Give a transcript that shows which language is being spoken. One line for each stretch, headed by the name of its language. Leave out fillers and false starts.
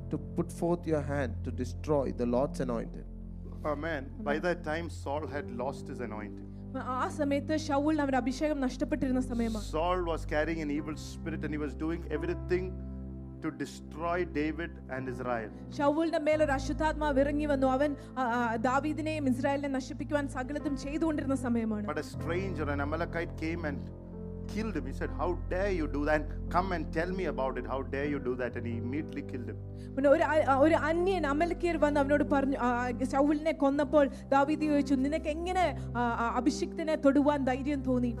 English: to put forth your hand to destroy the Lord's anointed. Amen. By that time Saul had lost his anointing. Saul was carrying an evil spirit and he was doing everything to destroy David and Israel.
Malayalam: ശൗലിന്റെ മേൽ ഒരു അശുദ്ധാത്മാ വിറങ്ങി വന്നു അവൻ ദാവീദിനെയും ഇസ്രായേലിനെ നശിപ്പിക്കുവാൻ സകലതും ചെയ്തുകൊണ്ടിരുന്ന സമയമാണ്.
English: But a stranger, an Amalekite, came and killed him. He said, how dare you do that? Come and tell me about it. How dare you do that? And he immediately killed him.
Malayalam: ഒരു അന്യൻ അമലക്കിയർ വന്ന് അവനോട് പറഞ്ഞു, ശൗലിനെ കൊന്നപ്പോൾ ദാവീദ് ചോദിച്ചു, നിനക്ക് എങ്ങനെ അഭിഷിക്തനെ തൊടുവാൻ ധൈര്യം തോന്നി?